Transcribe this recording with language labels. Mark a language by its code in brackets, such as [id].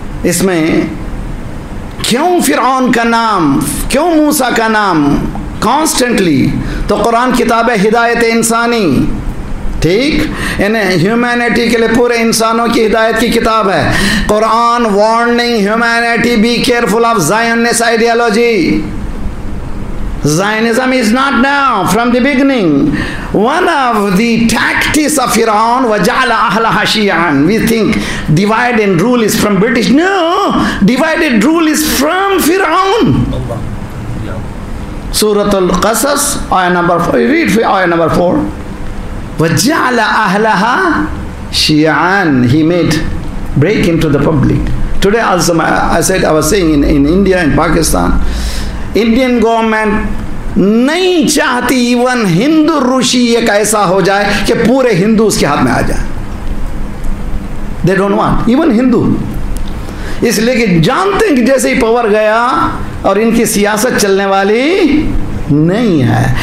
[ur] اس میں کیوں فرعون کا نام, کیوں موسیٰ کا نام کانسٹنٹلی. تو قرآن کتاب ہے ہدایت انسانی, ٹھیک, یعنی ہیومینٹی کے لیے, پورے انسانوں کی ہدایت کی کتاب ہے قرآن. [en] Warning humanity, be careful of Zionist ideology. Zionism is not now, from the beginning. One of the tactics of Iran, [ar] وَجَعْلَ أَهْلَهَا شِيَعًا. [en] We think divide and rule is from British. No, divide and rule is from Fir'aun. Surah Al-Qasas, ayah number 4. Read ayah number 4. [ar] وَجَعْلَ أَهْلَهَا شِيَعًا. [en] He made break into the public. Today also, I was saying in India, in Pakistan, [ur] Indian government نہیں چاہتی even ہندو رشی ایک ایسا ہو جائے کہ پورے ہندو اس کے ہاتھ میں آ جائے. [en] They don't want even Hindu. [ur] اس لیے کہ جانتے ہیں کہ جیسے ہی پاور گیا اور ان کی سیاست چلنے والی نہیں ہے.